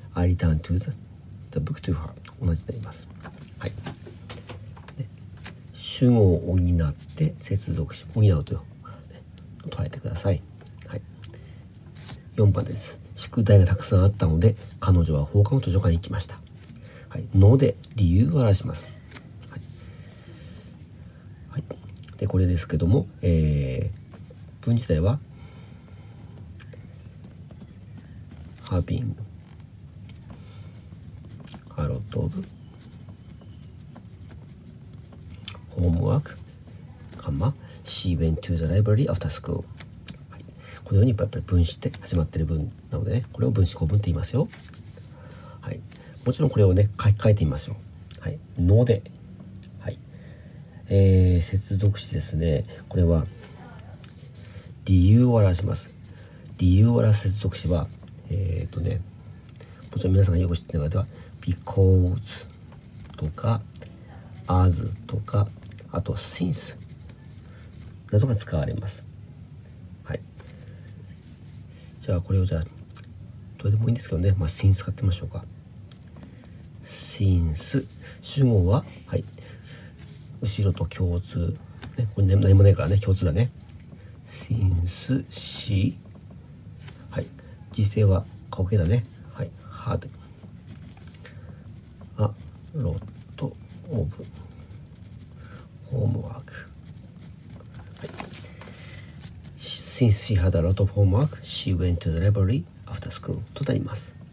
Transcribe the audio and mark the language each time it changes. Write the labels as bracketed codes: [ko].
[en] I return to the book to her。 [ja] 同じになります。はい。で、主語を補って接続詞補うと。捉えてください。はい。4番です。宿題がたくさんあったので、彼女は放課後図書館に行きました。はい。ので理由を表します。はい。はい、でこれですけども、文自体は [en] having a lot of homework, comma she went to the library after school。 [ja] このようにやっぱり分子って始まってる文なので、ね、これを分子構文って言いますよ。はい、もちろんこれをね書き換えてみましょう。はい、ので、はい、接続詞ですね。これは理由を表します。理由を表す接続詞はね、もちろん皆さんがよく知っている方は because とか as とかあと since などが使われます。じゃあこれをじゃあどれでもいいんですけどね、まあ since 使ってみましょうか。 since 主語は、はい、後ろと共通ね、これ何もないからね、共通だね。 [en] since she、 [ja] はい、時制は過去形だね。 [en] はい、 had a lot of homework。 Since she had a lot of homework, she went to the library after school [ja] となります。